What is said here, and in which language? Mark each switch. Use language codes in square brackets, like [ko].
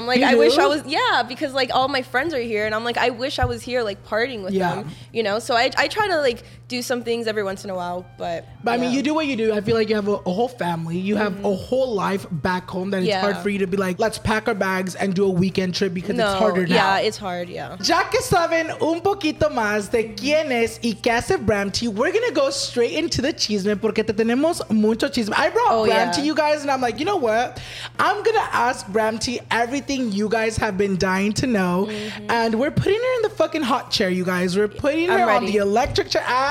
[en] I'm like, I wish I was because like all my friends are here and I'm like, I wish I was here like partying with them, you know. So I try to like do some things every once in a while, but I mean, you do what you do. I feel like you have a whole family, you have a whole life back home, that it's hard for you to be like, let's pack our bags and do a weekend trip, because it's harder now. Yeah, it's hard. Yeah. [es] Ya que saben un poquito más de quién es y qué hace Bramty, [en] we're gonna go straight into the [es] chisme, porque te tenemos mucho chisme. [en] I brought Bramty, you guys, and I'm like, you know what, I'm gonna ask Bramty everything you guys have been dying to know, and we're putting her in the fucking hot chair, you guys. We're putting her on the electric chair.